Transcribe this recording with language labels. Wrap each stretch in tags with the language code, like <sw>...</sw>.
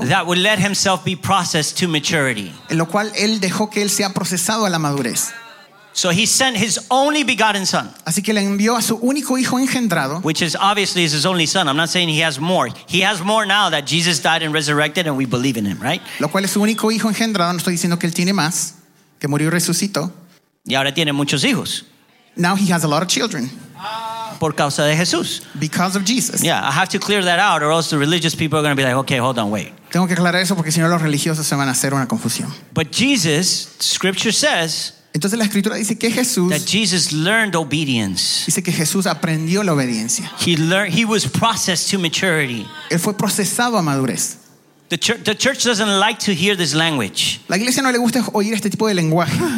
<en>That would let himself be processed to maturity.</en> <es>En lo cual él dejó que él sea procesado a la madurez.</es> <en>So he sent his only begotten son.</en> <es>Así que le envió a su único hijo engendrado.</es> <en>Which is obviously his only son. I'm not saying he has more. He has more now that Jesus died and resurrected and we believe in him, right?</en> <es>Lo cual es su único hijo engendrado. No estoy diciendo que él tiene más, que murió y resucitó. Y ahora tiene muchos hijos.</es> <en>Now he has a lot of children.</en> <es>Por causa de Jesús.</es> <en>Because of Jesus. Yeah, I have to clear that out or else the religious people are going to be like, okay, hold on, wait.</en> <es>Tengo que aclarar eso porque si no los religiosos se van a hacer una confusión.</es> <en>But Jesus, scripture says,</en> <es>entonces la escritura dice que Jesús,</es> <en>that Jesus learned obedience.</en> <es>Dice que Jesús aprendió la obediencia.</es> <en>He was processed to maturity.</en> <es>Él fue procesado a madurez.</es> <en>The church doesn't like to hear this language.</en> <es>La iglesia no le gusta oír este tipo de lenguaje.</es>